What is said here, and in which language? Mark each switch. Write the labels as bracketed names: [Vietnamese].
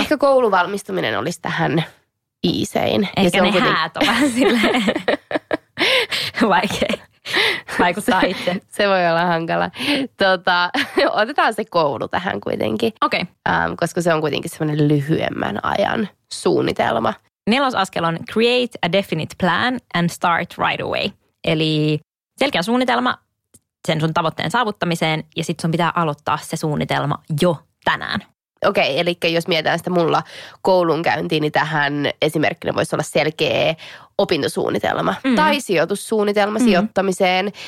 [Finnish] Ehkä kouluvalmistuminen olisi tähän iisein. Ehkä se on ne kuten... häät on vähän silleen vaikea vaikuttaa itse. Se voi olla hankala. Otetaan se koulu tähän kuitenkin. Okei. [English] Okay. [Finnish] Koska se on kuitenkin semmoinen lyhyemmän ajan suunnitelma. Nelos askel on [English] create a definite plan and start right away. [Finnish] Eli selkeä suunnitelma sen sun tavoitteen saavuttamiseen ja sit sun pitää aloittaa se suunnitelma jo tänään. Okei, eli jos mietitään sitä mulla koulunkäyntiin, niin tähän esimerkkinä voisi olla selkeä opintosuunnitelma tai sijoitussuunnitelma sijoittamiseen.